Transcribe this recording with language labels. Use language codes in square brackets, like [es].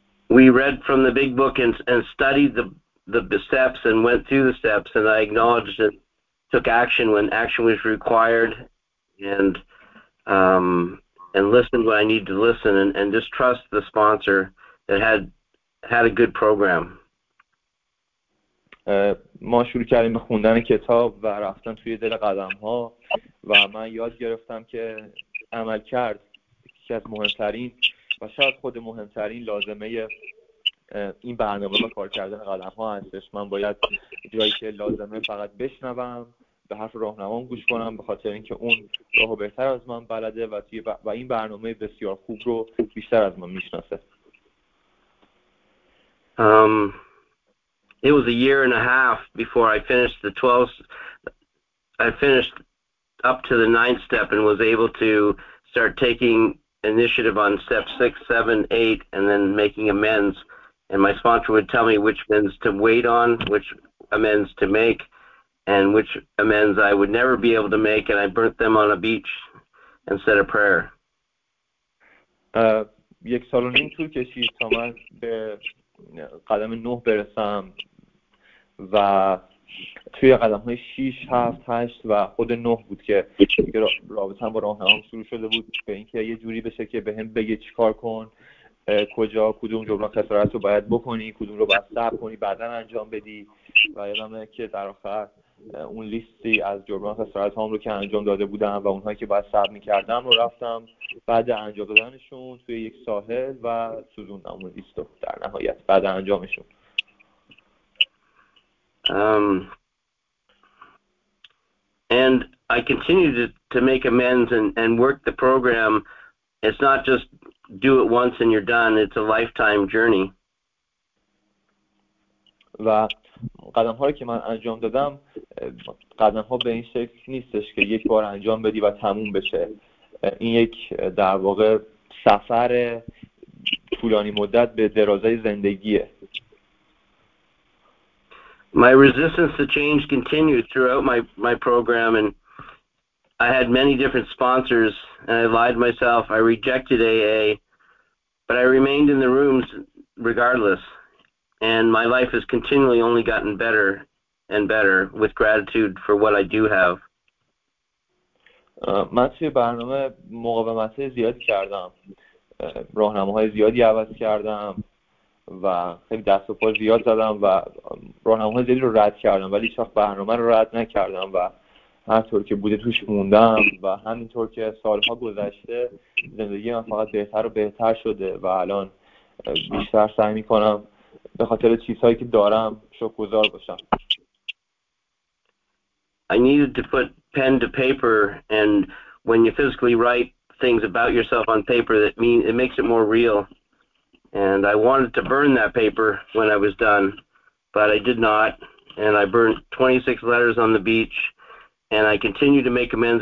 [en] We read from the big book and studied the the steps and went through the steps, and I acknowledged and took action when action was required, and listened when I needed to listen, and just trust the sponsor that had a good program. [fa] ما شروع کردیم به خوندن کتاب و رفتن توی دل قدم‌ها و من یاد گرفتم که عمل کرد یکی از مهمترین و شاید خود مهمترین لازمه این برنامه و کار کردن قدم‌ها هستش. من باید جایی که لازمه فقط بشنوم، به حرف راهنمام گوش کنم، به خاطر اینکه اون راهو بهتر از من بلده و این برنامه بسیار خوب رو بیشتر از من می‌شناسه. [en] It was a year and a half before I finished the 12th. I finished up to the 9th step and was able to start taking initiative on step 6, 7, 8, and then making amends. And my sponsor would tell me which amends to wait on, which amends to make, and which amends I would never be able to make, and I burnt them on a beach and said a prayer. [fa] یک سال و نیم طول کشید تا من به قدم 9 برسم و توی قدم های 6, 7, 8 و خود 9 بود که رابطه با راهنمام شروع شده بود به اینکه یه جوری بشه که به هم بگه چی کار کن، کجا کدوم جبران خسارت رو باید بکنی، کدوم رو باید صبر کنی، بعدا انجام بدی. و یادمه که در آخر اون لیستی از جبران خسارت هام رو که انجام داده بودم و اونهایی که باید صبر میکردم رو رفتم بعد انجام دادنشون توی یک ساحل و سوزوندم اون لیست رو در نهایت بعد انجامشون. [en] And I continue to make amends and work the program. It's not just do it once and you're done. It's a lifetime journey. [fa] و قدم‌ها رو که من انجام دادم، قدم‌ها به این شکل نیستش که یک بار انجام بدی و تموم بشه. این یک در واقع سفر طولانی مدت به درازای زندگیه. [en] My resistance to change continued throughout my program, and I had many different sponsors, and I lied myself. I rejected AA, but I remained in the rooms regardless, and my life has continually only gotten better and better with gratitude for what I do have. [fa] من توی برنامه مقاومت زیادی کردم، راهنماهای زیادی عوض کردم و خیلی دست و پا زیاد زدم و راهنماهای زیادی رو رد کردم، ولی هیچ وقت برنامه رو رد نکردم و هر طور که بوده توش موندم و همینطور که سالها گذشته زندگی من فقط بهتر و بهتر شده و الان بیشتر سعی میکنم به خاطر چیزهایی که دارم شکرگزار باشم. [en] I needed to put pen to paper, and when you physically write things about yourself on paper, that mean it makes it more real. And I wanted to burn that paper when I was done, but I did not. And I burnt 26 letters on the beach, and I continue to make amends.